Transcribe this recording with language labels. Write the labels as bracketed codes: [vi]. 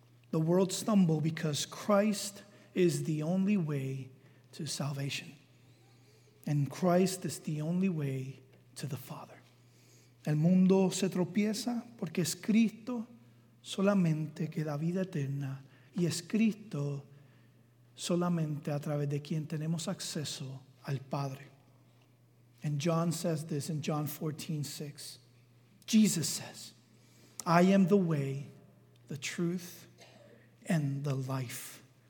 [en] The world stumbles because Christ is the only way to salvation. And Christ is the only way to the Father. [es] El mundo se tropieza porque es Cristo solamente que da vida eterna y es Cristo solamente a través de quien tenemos acceso al Padre. [en] And John says this in John 14:6. Jesus says, I am the way, the truth, and the life.